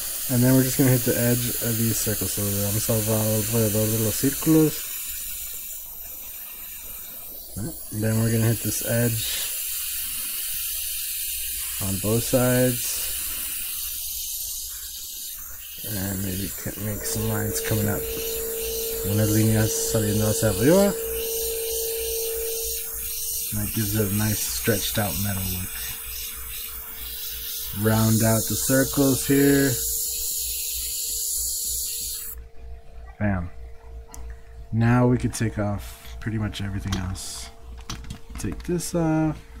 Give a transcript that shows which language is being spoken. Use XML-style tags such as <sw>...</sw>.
<en>And then we're just going to hit the edge of these circles. So I'm solving all the little circles. Then we're going to hit this edge on both sides. And maybe make some lines coming up.</en> <es>Una línea saliendo hacia arriba.</es> <en>And that gives it a nice stretched out metal look. Round out the circles here. Bam. Now we can take off pretty much everything else. Take this off.</en>